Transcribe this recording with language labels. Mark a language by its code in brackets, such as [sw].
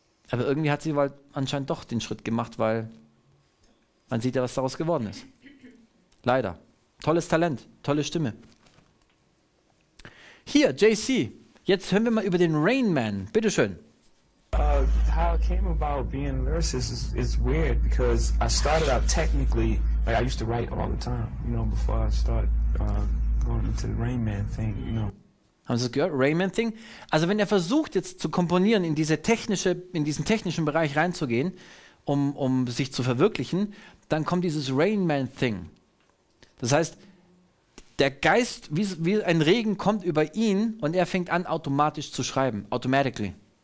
[de] Aber irgendwie hat sie anscheinend doch den Schritt gemacht, weil man sieht ja, was daraus geworden ist. Leider. Tolles Talent, tolle Stimme. Hier, JC, jetzt hören wir mal über den Rain Man. Bitteschön. [en] How it came about being a lyricist is weird, because I started out technically, like I used to write all the time, you know, before I started going into the Rain Man thing, you know. [de] Haben Sie das gehört? Rayman Thing? Also wenn er versucht jetzt zu komponieren, in diese technische, in diesen technischen Bereich reinzugehen, um sich zu verwirklichen, dann kommt dieses Rayman Thing. Das heißt, der Geist, wie ein Regen kommt über ihn und er fängt an automatisch zu schreiben. Automatically.